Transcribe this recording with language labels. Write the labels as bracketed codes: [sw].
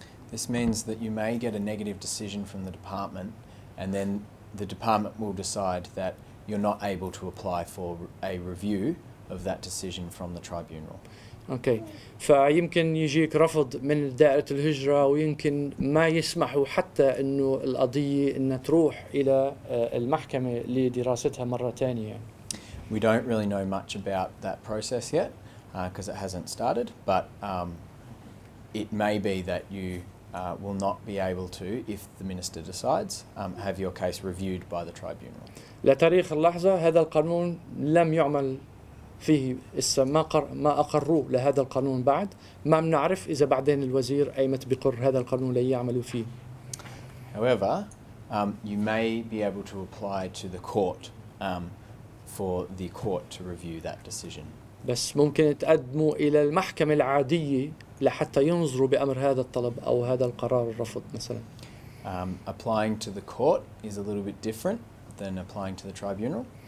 [en] This means that you may get a negative decision from the department and then the department will decide that you're not able to apply for a review of that decision from the tribunal. Okay. [ar] فيمكن يجيك رفض من دائرة الهجرة ويمكن ما يسمحوا حتى انه القضية انها تروح الى المحكمة لدراستها مرة تانية. [en] We don't really know much about that process yet because it hasn't started, but it may be that you will not be able to, if the minister decides, have your case reviewed by the tribunal. [ar] لتاريخ اللحظة هذا القانون لم يعمل فيه ما أقروه لهذا القانون بعد ما بنعرف إذا بعدين الوزير أيمت بقر هذا القانون ليعملوا فيه. [en] However, you may be able to apply to the court for the court to review that decision. [ar] بس ممكن تقدموا إلى المحكمة العادية لحتى ينظروا بأمر هذا الطلب أو هذا القرار الرفض مثلاً. [en] Applying to the court is a little bit different than applying to the tribunal.